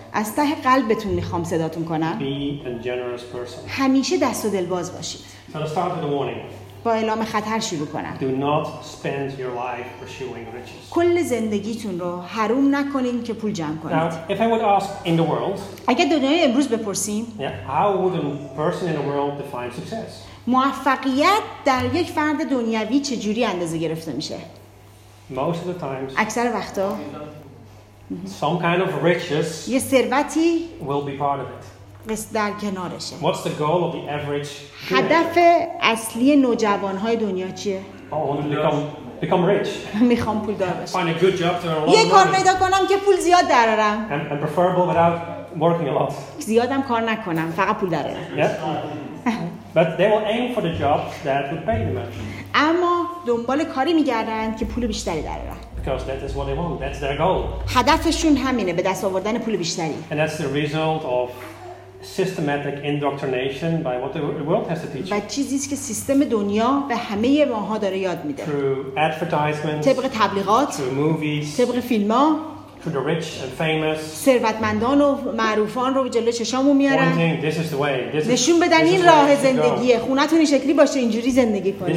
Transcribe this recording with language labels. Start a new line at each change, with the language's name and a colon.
Persian: از ته قلبتون میخوام صداتون کنم.
English: Be a generous person.
Persian: همیشه دست و دلباز باشید.
English: So let's start with the warning.
Persian: با اعلام خطر شروع کنم.
English: Do not spend your life pursuing riches.
Persian: کل زندگیتون رو حروم نکنین که پول جمع کنید.
English: Now, if I would ask in the world,
Persian: اگر دنیای امروز بپرسیم,
English: yeah, how would a person in the world define success?
Persian: موفقیت در یک فرد دنیوی چجوری اندازه گرفته میشه؟
English: Most of the times,
Persian: اکثر وقتا,
English: some kind of riches,
Persian: یه ثروتی
English: will be part of it.
Persian: در کنارشه.
English: What's the goal of the average?
Persian: هدف اصلی نوجوان‌های دنیا چیه؟
English: Become rich.
Persian: میخوام پول دار بشم.
English: Find a good job to earn a lot.
Persian: یه کار پیدا کنم که پول زیاد درآورم.
English: And preferable without working a lot.
Persian: زیادم کار نکنم، فقط پول درآورم.
English: But they will aim for the jobs that would pay the most.
Persian: اما دنبال کاری می‌گردن که پول بیشتری درآورم.
English: Because that is what they want. That's their goal.
Persian: هدفشون همینه، به دست آوردن پول بیشتری.
English: And that's the result of systematic indoctrination by what the world has to teach.
Persian: بعد چیزی است که سیستم دنیا به همه ماها داره یاد میده.
English: Through advertisements.
Persian: طبق تبلیغات.
English: Through movies.
Persian: طبق فیلم‌ها.
English: to the rich and famous.
Persian: ثروتمندان و معروفان رو جلوی چشامو میارن.
English: This is the way.
Persian: نشون بدن این راه زندگیه. خونتون این شکلی باشه، اینجوری زندگی کنید.